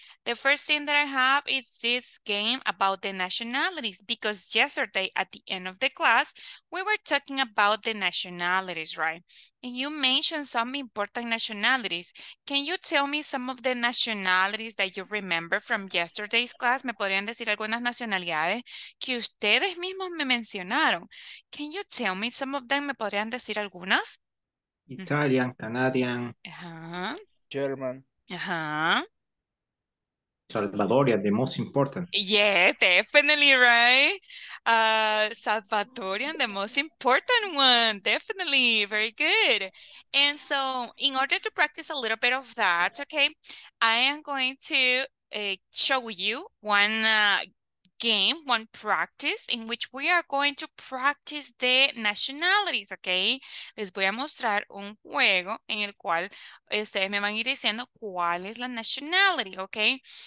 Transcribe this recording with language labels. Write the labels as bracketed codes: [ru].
[en] The first thing that I have is this game about the nationalities, because yesterday at the end of the class, we were talking about the nationalities, right? And you mentioned some important nationalities. Can you tell me some of the nationalities that you remember from yesterday's class? [es] ¿Me podrían decir algunas nacionalidades que ustedes mismos me mencionaron? [en] Can you tell me some of them? [es] ¿Me podrían decir algunas? [en] Italian, Canadian, German. Salvadoria, the most important. Yeah, definitely, right? Salvadorian, the most important one. Definitely, very good. And so in order to practice a little bit of that, okay, I am going to show you one game, one practice in which we are going to practice the nationalities, okay? [es] Les voy a mostrar un juego en el cual ustedes me van a ir diciendo cuál es la nationality, okay?